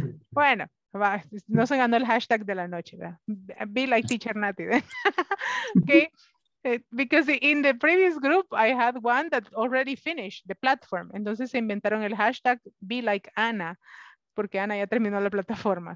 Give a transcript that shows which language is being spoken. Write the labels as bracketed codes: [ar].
[es] Bueno, va, no se ganó el hashtag de la noche, ¿verdad? [en] Be like teacher Nati. Okay. Because in the previous group, I had one that already finished the platform. [es] Entonces se inventaron el hashtag Be Like Ana, porque Ana ya terminó la plataforma.